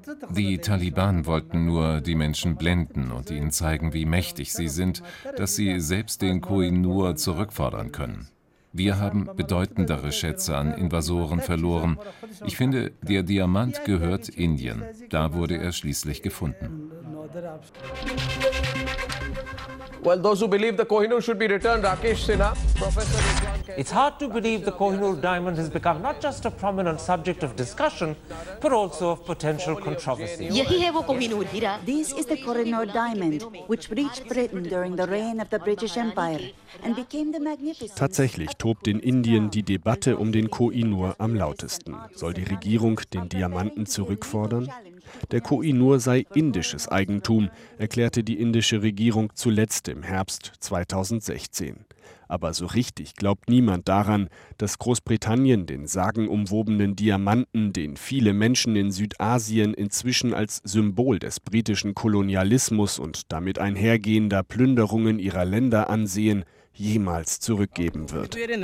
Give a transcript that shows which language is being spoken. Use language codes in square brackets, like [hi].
[de] Die Taliban wollten nur die Menschen blenden und ihnen zeigen, wie mächtig sie sind, dass sie selbst den Koh-i-Noor zurückfordern können. Wir haben bedeutendere Schätze an Invasoren verloren. Ich finde, der Diamant gehört Indien. Da wurde er schließlich gefunden. [en] Well, those who believe the Koh-i-Noor should be returned, Rakesh Sinha, Professor. It's hard to believe the Koh-i-Noor diamond has become not just a prominent subject of discussion, but also of potential controversy. This is the Koh-i-Noor diamond, which reached Britain during the reign of the British Empire and became the magnificent. [de] Tatsächlich tobt in Indien die Debatte um den Koh-i-Noor am lautesten. Soll die Regierung den Diamanten zurückfordern? Der Koh-i-Noor sei indisches Eigentum, erklärte die indische Regierung zuletzt im Herbst 2016. Aber so richtig glaubt niemand daran, dass Großbritannien den sagenumwobenen Diamanten, den viele Menschen in Südasien inzwischen als Symbol des britischen Kolonialismus und damit einhergehender Plünderungen ihrer Länder ansehen, jemals zurückgeben wird.